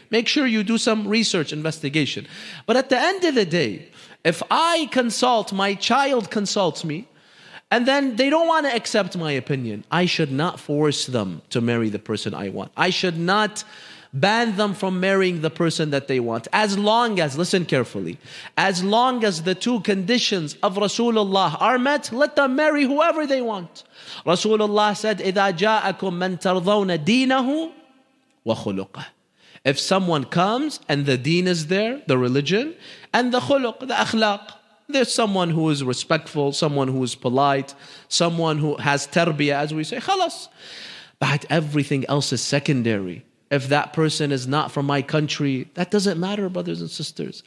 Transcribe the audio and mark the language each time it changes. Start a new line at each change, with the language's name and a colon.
English: Make sure you do some research, investigation. But at the end of the day, if I consult, my child consults me, and then they don't want to accept my opinion, I should not force them to marry the person I want. I should not ban them from marrying the person that they want. As long as, listen carefully, as long as the two conditions of Rasulullah are met, let them marry whoever they want. Rasulullah said,
Arabic: إِذَا جَاءَكُمْ مَنْ تَرْضَوْنَ دِينَهُ وَخُلُقَهُ.
English: If someone comes and the deen is there, the religion, and the khuluq, the akhlaq, there's someone who is respectful, someone who is polite, someone who has tarbiyah, as we say, khalas. But everything else is secondary. If that person is not from my country, that doesn't matter, brothers and sisters.